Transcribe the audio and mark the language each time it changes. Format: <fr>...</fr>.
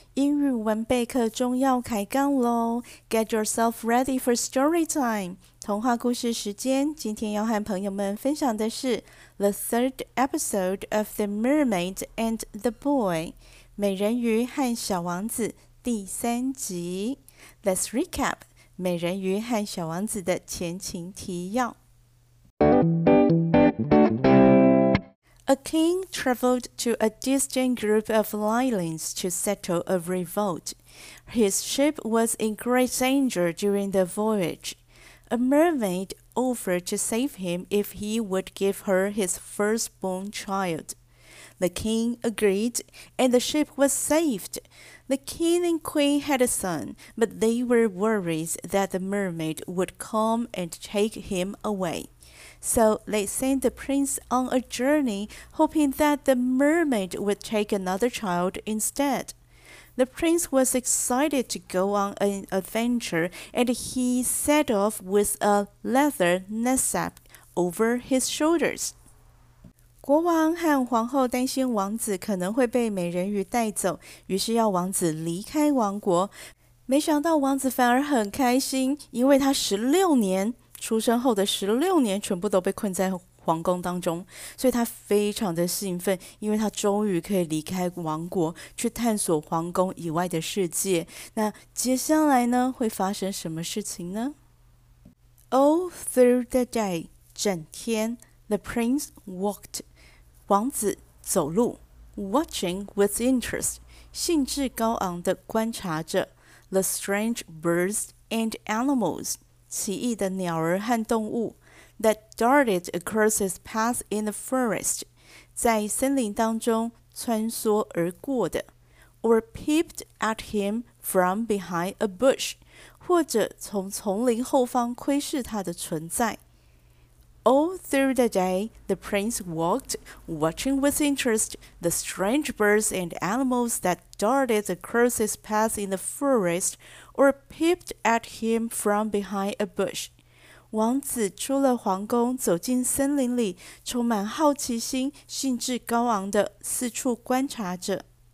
<zh>英语文备课终要开杠咯。</zh> <en>Get yourself ready for story time.</en> <zh>童话故事时间，今天要和朋友们分享的是</zh> <en>The third episode of The Mermaid and the Boy.</en> <zh>美人鱼和小王子第三集。</zh> <en>Let's recap</en> <zh>美人鱼和小王子的前情提要。</zh> <en>A king traveled to a distant group of islands to settle a revolt. His ship was in great danger during the voyage. A mermaid offered to save him if he would give her his firstborn child. The king agreed, and the ship was saved. The king and queen had a son, but they were worried that the mermaid would come and take him away. So they sent the prince on a journey, hoping that the mermaid would take another child instead. The prince was excited to go on an adventure, and he set off with a leather knapsack over his shoulders.</en> <zh>国王和皇后担心王子可能会被美人鱼带走，于是要王子离开王国。没想到王子反而很开心，因为他出生后的16年全部都被困在皇宫当中，所以他非常的兴奋，因为他终于可以离开王国去探索皇宫以外的世界。那接下来呢，会发生什么事情呢？</zh> <en>All through the day,</en> <zh>整天</zh> <en>the prince walked,</en> <zh>王子走路</zh> <en>watching with interest,</en> <zh>兴致高昂地观察着</zh> <en>the strange birds and animals,</en> <zh>奇异的鸟儿和动物</zh> <en>that darted across his path in the forest,</en> <zh>在森林当中穿梭而过的</zh> <en>or peeped at him from behind a bush,</en> <zh>或者从丛林后方窥视他的存在。</zh> <en>All through the day, the prince walked, watching with interest the strange birds and animals that darted across his path in the forest or peeped at him from behind a bush.</en> <zh>王子出了皇宫，走进森林里，充满好奇心，兴致高昂地四处观察着。</zh>